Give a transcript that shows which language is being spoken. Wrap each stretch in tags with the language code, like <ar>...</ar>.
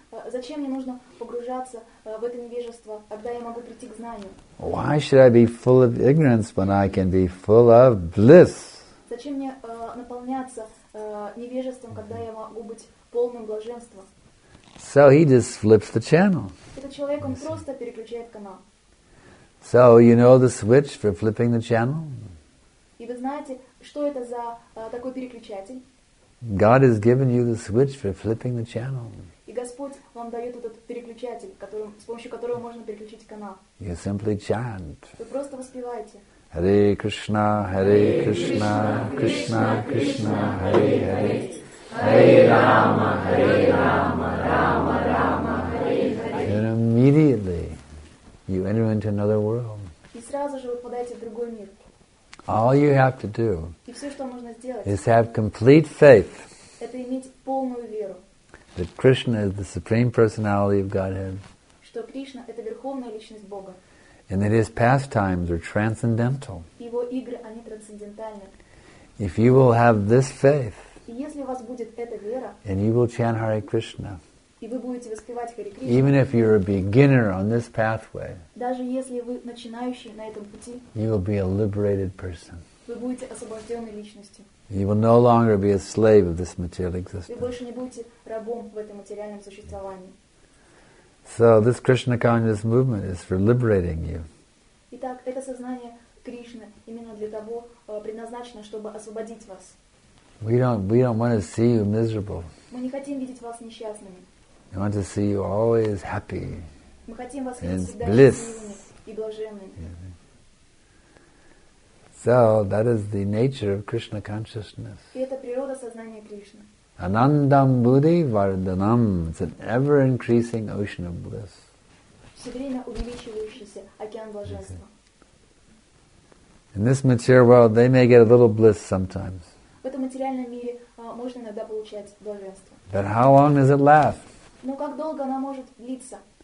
<ru>Зачем мне нужно погружаться в это невежество, когда я могу прийти к знанию?</ru> <en>Why should I be full of ignorance when I can be full of bliss?</en> <ru>Зачем мне наполняться невежеством, когда я могу быть полным блаженства?</ru> <en>So he just flips the channel.</en> <ru>Этот человек, он просто переключает канал.</ru> <en>So, you know the switch for flipping the channel?</en> <ru>И вы знаете, что это за такой переключатель?</ru> <en>God has given you the switch for flipping the channel.</en> <ru>И Господь вам дает этот переключатель, которым, с помощью которого можно переключить канал.</ru> <en>You simply chant.</en> <ru>Вы просто воспеваете.</ru> <sa>Hare Krishna, Hare Krishna, Krishna Krishna, Hare Hare. Hare Rama, Hare Rama, Rama Rama, Hare Hare.</sa> <en>And immediately you enter into another world.</en> <ru>И сразу же вы попадаете в другой мир.</ru> <en>All you have to do is have complete faith.</en> <ru>Это иметь полную веру.</ru> <en>That Krishna is the Supreme Personality of Godhead.</en> <ru>Что Кришна — это верховная личность Бога.</ru> <en>And that His pastimes are transcendental.</en> <ru>Его игры, они трансцендентальны.</ru> <en>If you will have this faith,</en> <ru>и если у вас будет эта вера,</ru> <en>and you will chant Hare Krishna,</en> <ru>и вы будете воспевать Харе Кришна,</ru> <en>even if you're a beginner on this pathway,</en> <ru>даже если вы начинающий на этом пути,</ru> <en>you will be a liberated person.</en> <ru>Вы будете освобожденной личностью.</ru> <en>You will no longer be a slave of this material existence.</en> <ru>Вы больше не будете рабом в этом материальном существовании.</ru> <en>So this Krishna consciousness movement is for liberating you.</en> <ru>Итак, это сознание Кришны именно для того предназначено, чтобы освободить вас.</ru> <en>We don't want to see you miserable.</en> <ru>Мы не хотим видеть вас несчастными.</ru> <en>We want to see you always happy.</en> <ru>Мы хотим вас видеть всегда счастливыми и блаженными.</ru> <en>So that is the nature of Krishna consciousness.</en> <ru>И это природа сознания Кришны.</ru> <sa>Anandam buddhi vardhanam.</sa> <en>It's an ever-increasing ocean of bliss.</en> <ru>Все время увеличивающийся океан блаженства.</ru> <en>In this material world, they may get a little bliss sometimes.</en> <ru>В этом материальном мире можно иногда получать блаженство.</ru> <en>But how long does it last?</en> <ru>Но как долго она может длиться?</ru>